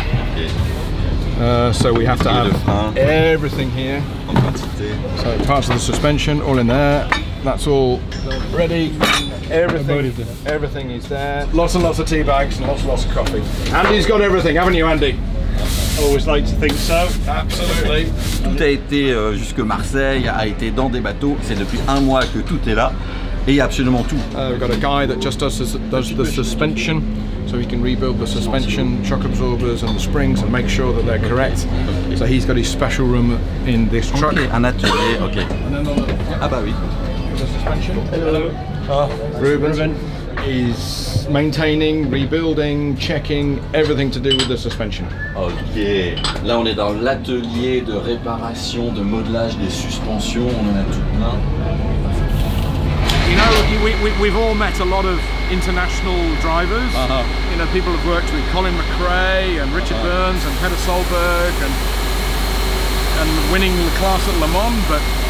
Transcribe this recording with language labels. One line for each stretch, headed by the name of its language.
English: Yeah. So we have to have everything here. So parts of the suspension all in there. That's all ready. Everything is there. Lots and lots of tea bags and lots of coffee. Andy's got everything, haven't you, Andy? always like to think so. Absolutely.
French: Tout a été jusque Marseille, a été dans des bateaux. C'est depuis un mois que tout est là. Et absolument tout.
English: We've got a guy that just does the suspension, so he can rebuild the suspension, shock absorbers and the springs and make sure that they're correct. So he's got his special room in this truck.
French: Okay, un atelier, okay. Ah bah oui.
English: Hello. Ruben is maintaining, rebuilding, checking everything to do with the suspension. Okay.
French: Là, on est dans l'atelier de réparation, de modelage des suspensions. On en a tout plein.
English: You know, we've all met a lot of international drivers. Uh-huh. You know, people have worked with Colin McRae and Richard uh-huh. Burns and Petter Solberg and winning the class at Le Mans, but.